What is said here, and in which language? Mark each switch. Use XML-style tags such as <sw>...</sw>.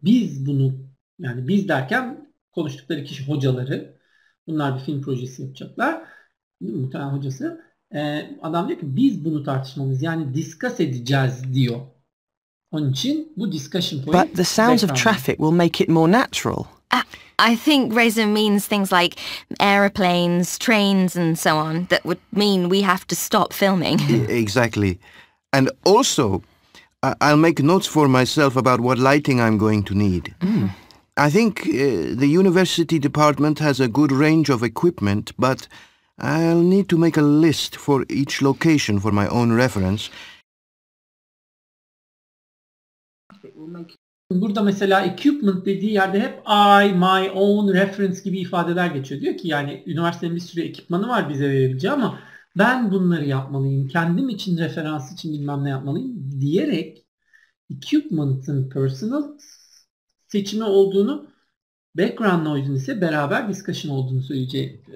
<tr>Biz bunu, yani biz derken konuştukları kişi hocaları. Bunlar bir film projesi yapacaklar. Muhtemelen hocası. Adam diyor ki biz bunu tartışmamız yani discuss edeceğiz diyor. Onun için bu discussion</tr> <en>But point the sounds of traffic will make it more natural. I think Reza means things like aeroplanes, trains and so on that would mean we have to stop filming. Exactly. And also, I'll make notes for myself about what lighting I'm going to need. Mm. I think the university department has a good range of equipment, but I'll need to make a list for each location for my own reference.</en> <tr>Burada mesela equipment dediği yerde hep</tr> <en>I, my own, reference</en> <tr>gibi ifadeler geçiyor. Diyor ki yani üniversitenin bir sürü ekipmanı var bize verebileceği ama ben bunları yapmalıyım. Kendim için, referans için bilmem ne yapmalıyım diyerek equipment'ın personal seçimi olduğunu, background noise'un ise beraber discussion olduğunu söyleyecek.</tr>